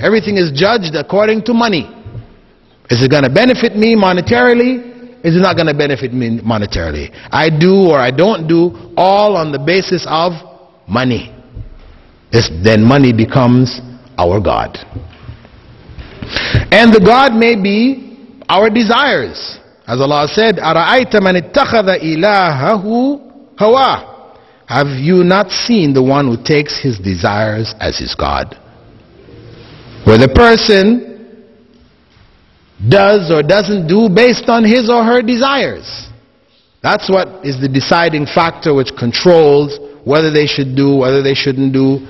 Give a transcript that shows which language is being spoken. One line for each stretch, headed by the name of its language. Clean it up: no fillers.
English: Everything is judged according to money. Is it going to benefit me monetarily? Is it not going to benefit me monetarily? I do or I don't do all on the basis of money. Then money becomes our God. And the God may be our desires. As Allah said,
Arabic: أَرَأَيْتَ مَنِ اتَّخَذَ إِلَاهَهُ هَوَى.
English: Have you not seen the one who takes his desires as his God? Where the person does or doesn't do based on his or her desires. That's what is the deciding factor which controls whether they should do, whether they shouldn't do.